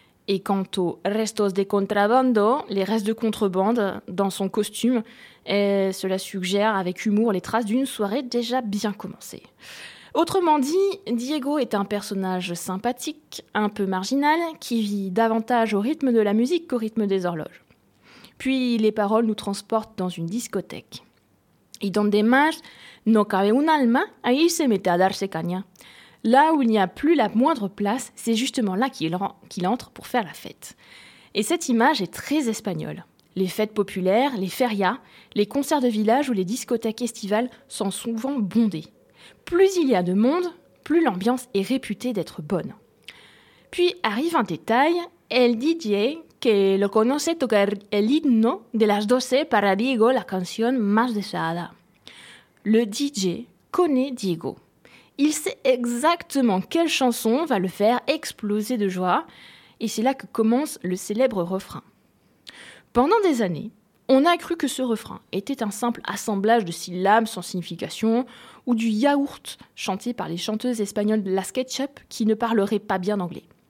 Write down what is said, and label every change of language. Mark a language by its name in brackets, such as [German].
[French] Et quant aux [Spanish] restos de contrabando, [French] les restes de contrebande dans son costume, cela suggère avec humour les traces d'une soirée déjà bien commencée. Autrement dit, Diego est un personnage sympathique, un peu marginal, qui vit davantage au rythme de la musique qu'au rythme des horloges. Puis les paroles nous transportent dans une discothèque. [Spanish] Y donde más no cabe un alma, ahí se mete a darse caña. [French] Là où il n'y a plus la moindre place, c'est justement là qu'il entre pour faire la fête. Et cette image est très espagnole. Les fêtes populaires, les ferias, les concerts de village ou les discothèques estivales sont souvent bondées. Plus il y a de monde, plus l'ambiance est réputée d'être bonne. Puis arrive un détail, [Spanish] el DJ que lo conoce tocar el himno de las doce para Diego, la canción más deseada. [French] Le DJ connaît Diego. Il sait exactement quelle chanson va le faire exploser de joie, et c'est là que commence le célèbre refrain. Pendant des années, on a cru que ce refrain était un simple assemblage de syllabes sans signification ou du yaourt chanté par les chanteuses espagnoles de Las Ketchup qui ne parleraient pas bien anglais.